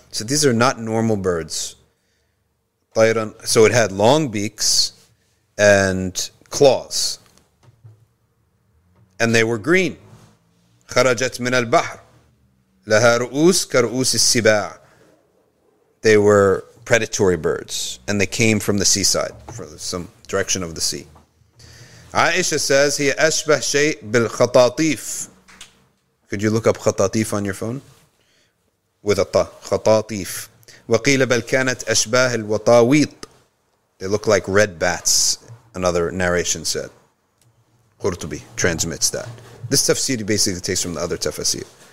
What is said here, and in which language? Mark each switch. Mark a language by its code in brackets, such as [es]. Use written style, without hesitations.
[en] So these are not normal birds. طيران. So it had long beaks and claws. And they were green. [ar] خرجت من البحر لها رؤوس كرؤوس السباع. [en] They were predatory birds. And they came from the seaside, from some direction of the sea. Aisha says, [ar] هي أشبه شيء بالخطاطيف. [en] Could you look up khatatif on your phone? With a ta, khatatif. [ar] وَقِيلَ بَلْ كَانَتْ أَشْبَاهِ الْوَطَاوِيطِ. [en] They look like red bats, another narration said. Qurtubi transmits that. This tafsir basically takes from the other tafsir.